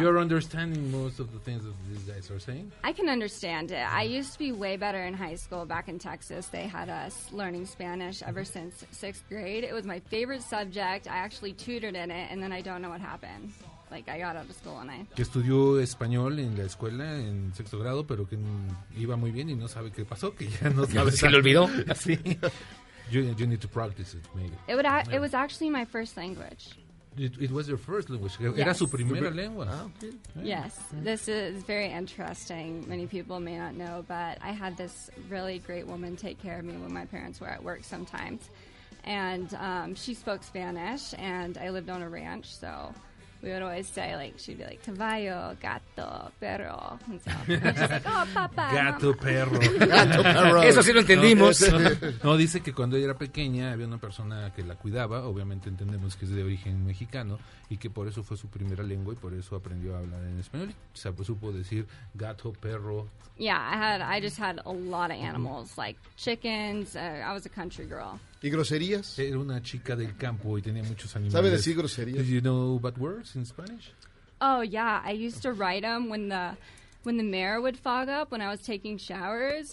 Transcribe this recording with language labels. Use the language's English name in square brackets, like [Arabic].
[English] You're understanding most of the things that these guys are saying? I can understand it. I used to be way better in high school back in Texas. They had us learning Spanish ever since sixth grade. It was my favorite subject. I actually tutored in it, and then I don't know what happened. Like, I got out of school and I... [Spanish] Que estudió español en la escuela en sexto grado, pero que iba muy bien y no sabe qué pasó, que ya no sabe. Se le olvidó. [English] Sí. You need to practice it, maybe. It was actually my first language. It was your first language. Yes. [Spanish] Era su primera lengua. [English] Ah, okay. Yeah. Yes, this is very interesting. Many people may not know, but I had this really great woman take care of me when my parents were at work sometimes. And she spoke Spanish, and I lived on a ranch, so we would always say, like, she'd be like, [Spanish] caballo, gato, perro. [English] And so I'm just like, oh, papá. [Spanish] Gato, perro. Gato, perro. Eso sí lo entendimos. No, dice que cuando ella era pequeña había una persona que la cuidaba, obviamente entendemos que es de origen mexicano, y que por eso fue su primera lengua y por eso aprendió a hablar en español. O sea, pues, supo decir gato, perro. [English] Yeah, I just had a lot of animals, like chickens. I was a country girl. [Spanish] ¿Y groserías? Era una chica del campo y tenía muchos animales. ¿Sabe decir groserías? [English] Do you know bad words in Spanish? Oh, yeah. I used to write them when the mirror would fog up when I was taking showers.